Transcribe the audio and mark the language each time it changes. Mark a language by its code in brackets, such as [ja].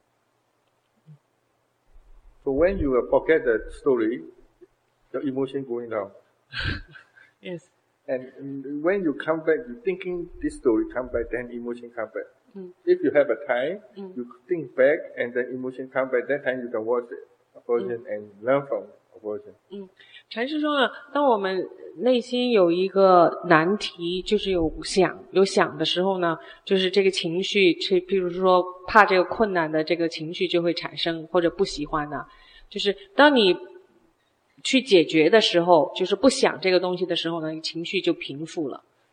[zh] 嗯，身体的动作也可以觉知，也是觉知的所缘。So [en] when you forget the story, your emotion going down. Yes. And when you come back, you thinking this story come back, then emotion come back. If you have a time, you think back and then emotion come back, that time you can watch the aversion and learn from aversion. [zh] 禅师说呢, 当我们内心有一个难题, 就是有想的时候呢, 就是这个情绪, 譬如说怕这个困难的这个情绪就会产生, 或者不喜欢呢, 就是当你去解决的时候, 就是不想这个东西的时候呢, 情绪就平复了。